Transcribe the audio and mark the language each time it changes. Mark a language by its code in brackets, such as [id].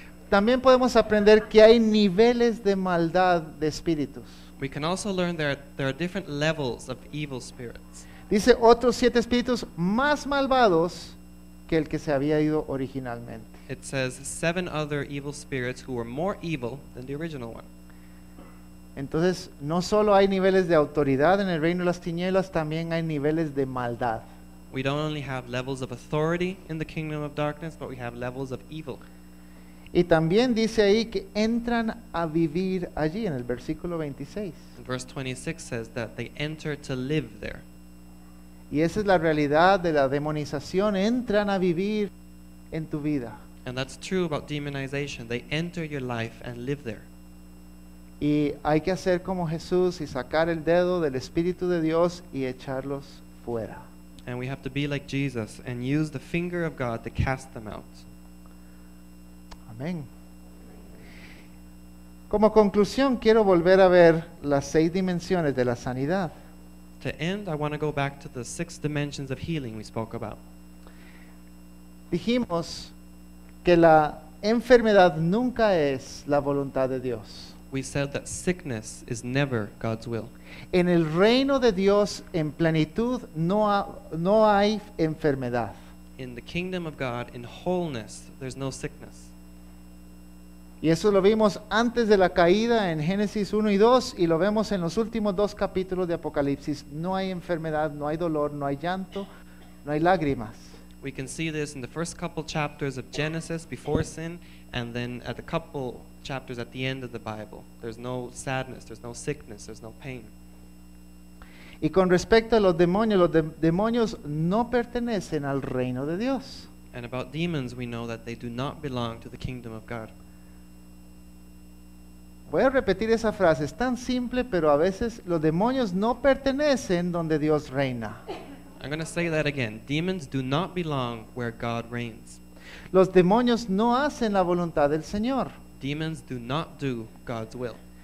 [es] También podemos aprender que hay niveles de maldad de espíritus. [en] We can also learn there are different levels of evil spirits. [es] Dice otros siete espíritus más malvados que el que se había ido originalmente. [en] It says seven other evil spirits who were more evil than the original one. [es] Entonces, no solo hay niveles de autoridad en el reino de las tinieblas, también hay niveles de maldad. [en] We don't only have levels of authority in the kingdom of darkness, but we have levels of evil. [es] Y también dice ahí que entran a vivir allí en el versículo 26. [en] Verse 26 says that they enter to live there. [es] Y esa es la realidad de la demonización, entran a vivir en tu vida. [en] And that's true about demonization, they enter your life and live there. [es] Y hay que hacer como Jesús y sacar el dedo del Espíritu de Dios y echarlos fuera. [en] And we have to be like Jesus and use the finger of God to cast them out. [es] Amén. Como conclusión, quiero volver a ver las seis dimensiones de la sanidad. [en] To end, I want to go back to the six dimensions of healing we spoke about. [es] Dijimos que la enfermedad nunca es la voluntad de Dios. [en] We said that sickness is never God's will. [es] En el reino de Dios, en plenitud, no hay enfermedad. [en] In the kingdom of God, in wholeness, there's no sickness. [es] Y eso lo vimos antes de la caída en Génesis 1 y 2, y lo vemos en los últimos dos capítulos de Apocalipsis. No hay enfermedad, no hay dolor, no hay llanto, no hay lágrimas. [en] We can see this in the first couple chapters of Genesis before sin, and then at the couple chapters at the end of the Bible. There's no sadness, there's no sickness, there's no pain. [es] Y con respecto a los demonios no pertenecen al reino de Dios. [en] And about demons, we know that they do not belong to the kingdom of God. [es] Voy a repetir esa frase, es tan simple, pero a veces los demonios no pertenecen donde Dios reina. [en] I'm going to say that again. Demons do not belong where God reigns. [es] Los demonios no hacen la voluntad del Señor. [en] Demons do not do God's will.